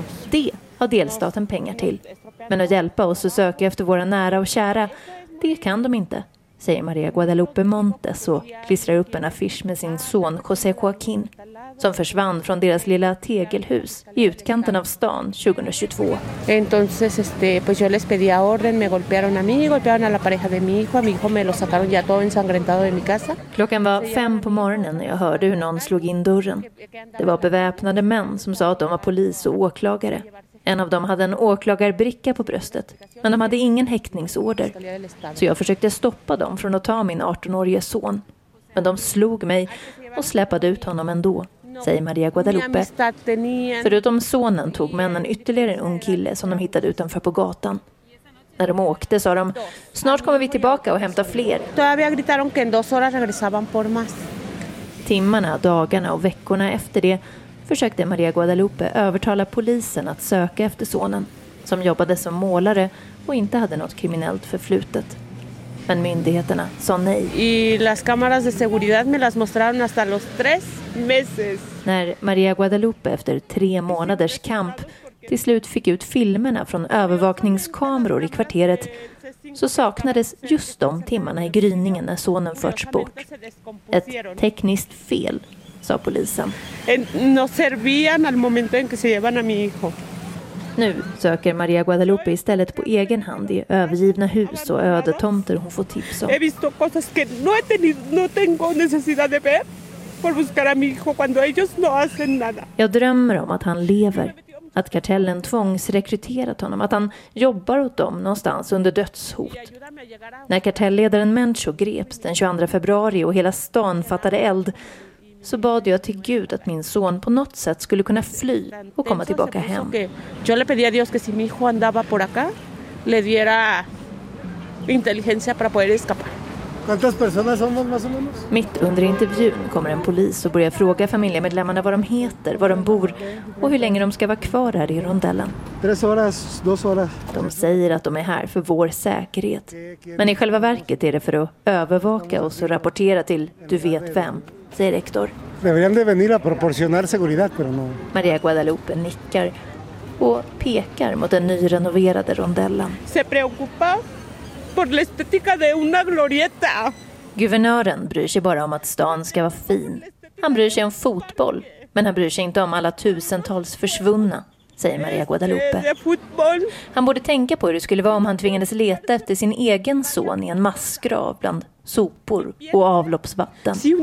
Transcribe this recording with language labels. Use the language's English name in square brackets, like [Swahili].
[Swedish] Det har delstaten pengar till. Men att hjälpa oss att söka efter våra nära och kära, det kan de inte, säger Maria Guadalupe Montes och klistrar upp en affisch med sin son José Joaquín som försvann från deras lilla tegelhus i utkanten av stan 2022. [Spanish] Entonces pues yo les pedí orden, me golpearon a mí, golpearon a la pareja de mi hijo me lo sacaron ya todo ensangrentado de mi casa. [Swedish] Klockan var 5 på morgonen när jag hörde hur någon slog in dörren. Det var beväpnade män som sa att de var polis och åklagare. En av dem hade en åklagarbricka på bröstet, men de hade ingen häktningsorder. Så jag försökte stoppa dem från att ta min 18-årige son. Men de slog mig och släpade ut honom ändå, säger Maria Guadalupe. Förutom sonen tog männen ytterligare en ung kille som de hittade utanför på gatan. När de åkte sa de, snart kommer vi tillbaka och hämtar fler. Timmarna, dagarna och veckorna efter det försökte Maria Guadalupe övertala polisen att söka efter sonen som jobbade som målare och inte hade något kriminellt förflutet. Men myndigheterna sa nej. [Spanish] Y las cámaras de seguridad me las mostraron hasta los 3 meses. [Swedish] När Maria Guadalupe efter 3 månaders kamp till slut fick ut filmerna från övervakningskameror i kvarteret så saknades just de timmarna i gryningen när sonen förts bort. Ett tekniskt fel, sa polisen. [Spanish] No servían al momento en que se llevan a mi hijo. [Swedish] Nu söker Maria Guadalupe istället på egen hand i övergivna hus och öde tomter hon får tips om. [Spanish] He visto cosas que no he tenido, no tengo necesidad de ver por buscar a mi hijo cuando ellos no hacen nada. [Swedish] Jag drömmer om att han lever, att kartellen tvångsrekryterat honom, att han jobbar åt dem någonstans under dödshot. När kartellledaren Mencho greps den 22 februari och hela stan fattade eld, så bad jag till Gud att min son på något sätt skulle kunna fly och komma tillbaka hem. [Spanish] Yo le pedí a Dios que si mi hijo andaba por acá le diera inteligencia para poder escapar. ¿Cuántas personas somos más o menos? [Swedish] Mitt under intervjun kommer en polis och börjar fråga familjemedlemmarna vad de heter, var de bor och hur länge de ska vara kvar här i rondellen. [Spanish] 3 horas, 2 horas. [Swedish] De säger att de är här för vår säkerhet. Men i själva verket är det för att övervaka oss och rapportera till du vet vem, säger rektor. [Spanish] Deberían de venir a proporcionar seguridad, pero no. [Swedish] Maria Guadalupe nickar och pekar mot den nyrenoverade rondellen. [Spanish] Se preocupa por la estética de una glorieta. [Swedish] Guvernören bryr sig bara om att stan ska vara fin. Han bryr sig om fotboll, men han bryr sig inte om alla tusentals försvunna, säger Maria Guadalupe. Han borde tänka på hur det skulle vara om han tvingades leta efter sin egen son i en massgrav bland sopor och avloppsvatten.